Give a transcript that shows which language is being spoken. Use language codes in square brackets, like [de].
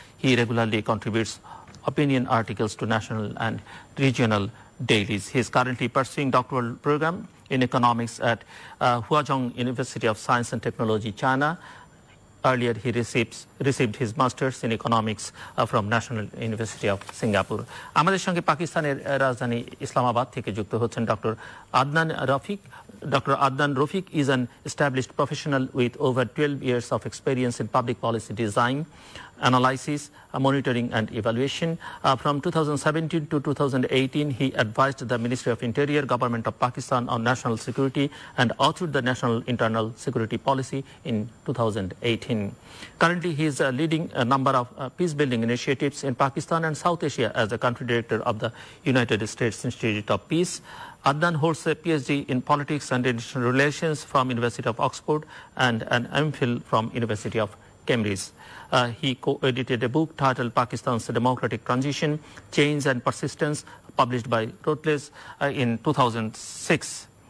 [en] He regularly contributes opinion articles to national and regional dailies. He is currently pursuing doctoral program in economics at Huazhong University of Science and Technology, China. Earlier, he received his master's in economics from National University of Singapore. [bn] আমাদের সঙ্গে পাকিস্তানের রাজধানী ইসলামাবাদ থেকে যুক্ত হচ্ছেন doctor Adnan Rafiq. [en] Doctor Adnan Rafiq is an established professional with over 12 years of experience in public policy design, analysis, monitoring and evaluation. From 2017 to 2018 he advised the ministry of interior, government of Pakistan on national security and authored the national internal security policy in 2018। Currently he is leading number of peace building initiatives in Pakistan and South Asia as the country director of the United States Institute of Peace. Adnan holds a PhD in Politics and International Relations from University of Oxford and an MPhil from University of Cambridge. He co-edited a book titled Pakistan's Democratic Transition, Change and Persistence, published by Routledge in 2006.